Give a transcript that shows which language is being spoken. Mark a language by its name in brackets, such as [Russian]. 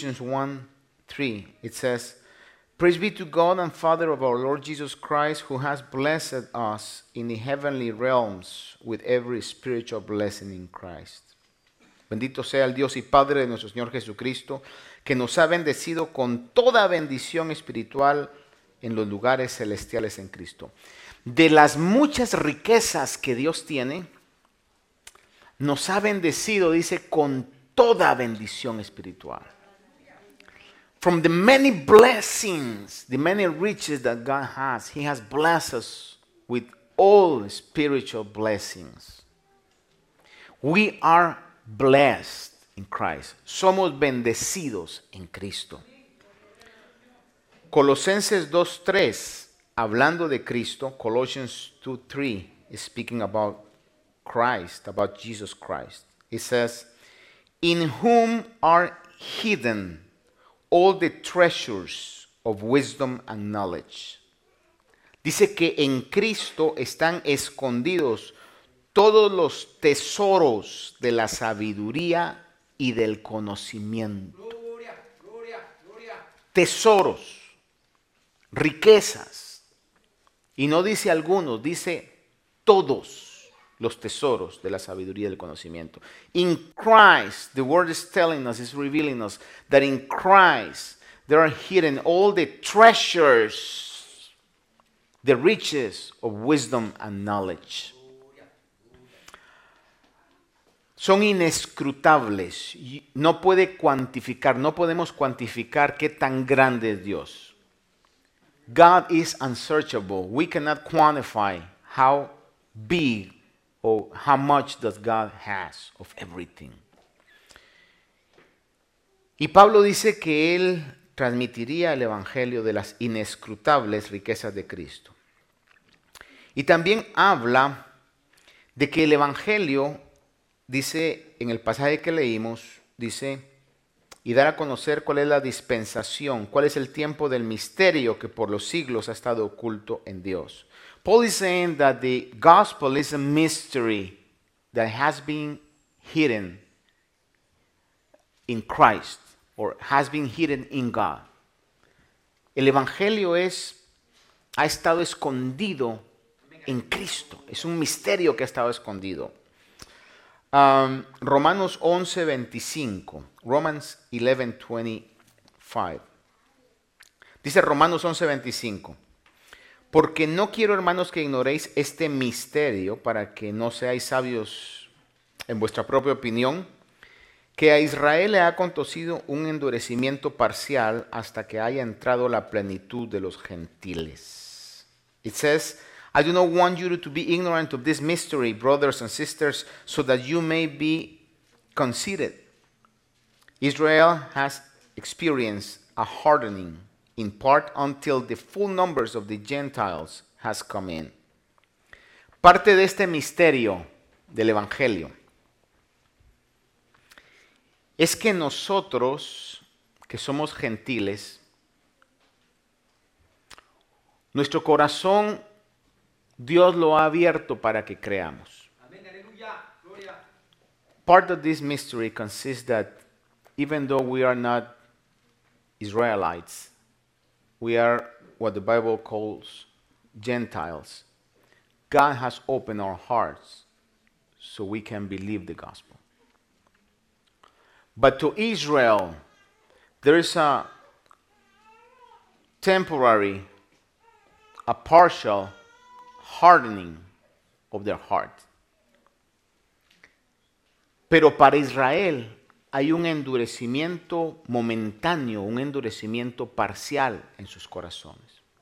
[English] Ephesians 1:3, it says, "Praise be to God and Father of our Lord Jesus Christ, who has blessed us in the heavenly realms with every spiritual blessing in Christ." [Spanish] Bendito sea el Dios y Padre de nuestro Señor Jesucristo, que nos ha bendecido con toda bendición espiritual en los lugares celestiales en Cristo. De las muchas riquezas que Dios tiene, nos ha bendecido, dice, con toda bendición espiritual. [English] From the many blessings, the many riches that God has, he has blessed us with all spiritual blessings. We are blessed in Christ. [Spanish] Somos bendecidos en Cristo. Colosenses 2:3, hablando de Cristo, [English] Colossians 2:3 is speaking about Christ, about Jesus Christ. It says, "In whom are hidden all the treasures of wisdom and knowledge." [Spanish] Dice que en Cristo están escondidos todos los tesoros de la sabiduría y del conocimiento. Gloria, gloria, gloria. Tesoros, riquezas. Y no dice algunos, dice todos los tesoros de la sabiduría y del conocimiento. [English] In Christ, the word is telling us, is revealing us, that in Christ there are hidden all the treasures, the riches of wisdom and knowledge. [Spanish] son inescrutables. No puede cuantificar, no podemos cuantificar qué tan grande es Dios. [English] God is unsearchable. We cannot quantify how big or how much does God has of everything. [Spanish] Y Pablo dice que él transmitiría el evangelio de las inescrutables riquezas de Cristo. Y también habla de que el evangelio, dice en el pasaje que leímos, dice, y dar a conocer cuál es la dispensación, cuál es el tiempo del misterio que por los siglos ha estado oculto en Dios. [English] Paul is saying that the gospel is a mystery that has been hidden in Christ. Or has been hidden in God. [Spanish] El evangelio es, ha estado escondido en Cristo. Es un misterio que ha estado escondido. Romanos 11, 25. Romans 11, 25. Dice Romanos 11, 25. Porque no quiero, hermanos, que ignoréis este misterio para que no seáis sabios en vuestra propia opinión. Que a Israel le ha acontecido un endurecimiento parcial hasta que haya entrado la plenitud de los gentiles. [English] It says, I do not want you to be ignorant of this mystery, brothers and sisters, so that you may be conceited. Israel has experienced a hardening in part until the full numbers of the Gentiles has come in. [Spanish] Parte de este misterio del evangelio es que nosotros, que somos gentiles, nuestro corazón, Dios lo ha abierto para que creamos. Amén, aleluya, gloria. [English] Part of this mystery consists that even though we are not Israelites, we are what the Bible calls Gentiles, God has opened our hearts so we can believe the gospel. But to Israel, there is a temporary, a partial hardening of their heart. [Spanish] Pero para Israel hay un endurecimiento momentáneo, un endurecimiento parcial en sus corazones.